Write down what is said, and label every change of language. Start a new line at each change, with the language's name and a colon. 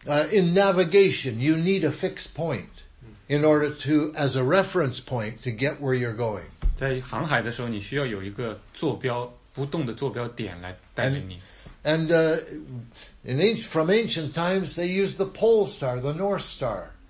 English: In navigation, you need a fixed point in order to, as a reference point, to get where you're going.
Chinese: 在航海的时候你需要有一个坐标不动的坐标点来带领你。
English: From ancient times, they used the pole star, the north star.